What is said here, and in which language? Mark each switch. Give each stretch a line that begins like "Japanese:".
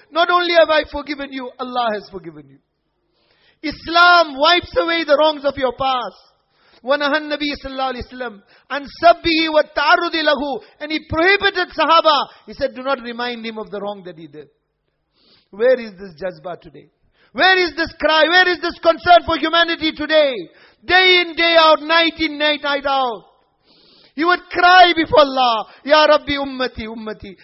English: Not only have I forgiven you, Allah has forgiven you. Islam wipes away the wrongs of your past.
Arabic: وَنَهَى النَّبِي صلى الله عليه وسلم عَنْ سَبِّهِ وَالتَّعْرُضِ لَهُ
English: And he prohibited Sahaba. He said, do not remind him of the wrong that he did. Where is this jazba today? Where is this cry? Where is this concern for humanity today? Day in, day out, night in, night out. He would cry before Allah. Ya Rabbi ummati, ummati.